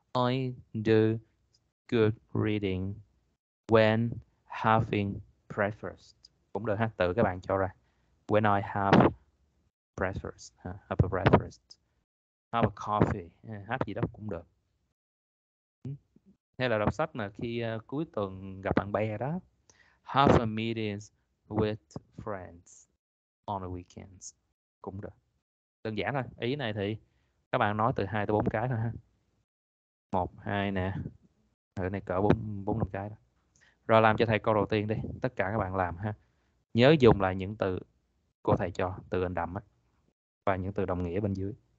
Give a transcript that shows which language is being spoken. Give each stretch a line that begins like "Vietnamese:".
English: I do good reading when having breakfast.
Vietnamese: Cũng được ha. Tự các bạn cho ra.
English: When I have breakfast, have a breakfast, have a coffee, have
Vietnamese: gì đó cũng được. Hay là đọc sách mà khi cuối tuần gặp bạn bè đó.
English: Have a meeting with friends on the weekends.
Vietnamese: Cũng được. Đơn giản thôi. Ý này thì các bạn nói từ 2 tới 4 cái thôi ha. 1, 2 nè. Thử này cỡ 4, 4, 5 cái đó. Rồi làm cho thầy câu đầu tiên đi. Tất cả các bạn làm ha. Nhớ dùng lại những từ của thầy cho. Từ in đậm á. Và những từ đồng nghĩa bên dưới.